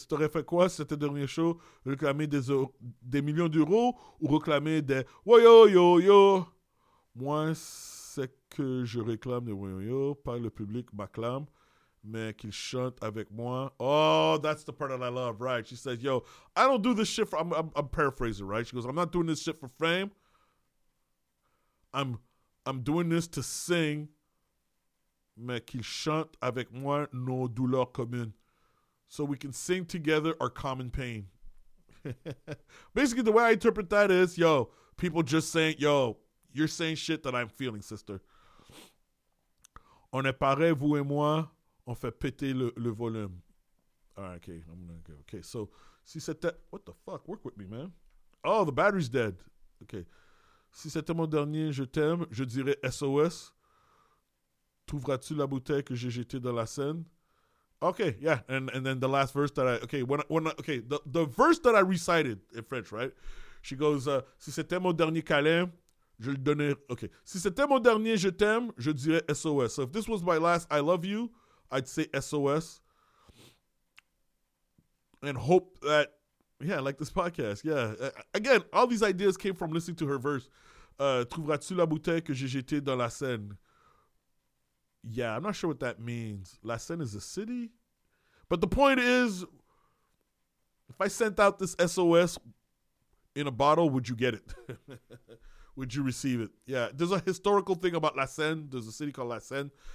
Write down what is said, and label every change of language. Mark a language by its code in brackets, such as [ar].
[fr] T'aurais fait quoi si c'était ton dernier show? Réclamer des millions d'euros ou réclamer des woyo yo yo? Moi, c'est que je réclame des woyo yo, pas le public m'acclame, mais qu'il chante avec moi. [en] Oh, that's the part that I love, right? She says, yo, I don't do this shit for, I'm paraphrasing, right? She goes, I'm not doing this shit for fame. I'm doing this to sing. [fr] Mais qu'il chante avec moi nos douleurs communes. [en] So we can sing together our common pain. Basically, the way I interpret that is, yo, people just saying, yo, you're saying shit that I'm feeling, sister. [fr] On est pareil, vous et moi. On fait péter le volume. [en] All right, okay. I'm going to go. Okay, so, [fr] si c'était... [en] What the fuck? Work with me, man. Oh, the battery's dead. Okay. [fr] Si c'était mon dernier, je t'aime, je dirais SOS. Trouveras-tu la bouteille que j'ai jetée dans la Seine? [en] Okay, yeah. And then the last verse that I... Okay, the verse that I recited in French, right? She goes, [fr] si c'était mon dernier câlin, je le donnerais... [en] Okay. [fr] Si c'était mon dernier, je t'aime, je dirais SOS. [en] So, if this was my last I love you, I'd say SOS and hope that, yeah, like this podcast, yeah. Again, all these ideas came from listening to her verse. [fr] Trouveras-tu la bouteille que j'ai jetée dans la Seine? [en] Yeah, I'm not sure what that means. La Seine is a city? But the point is, if I sent out this SOS in a bottle, would you get it? Would you receive it? Yeah, there's a historical thing about La Seine. There's a city called La Seine.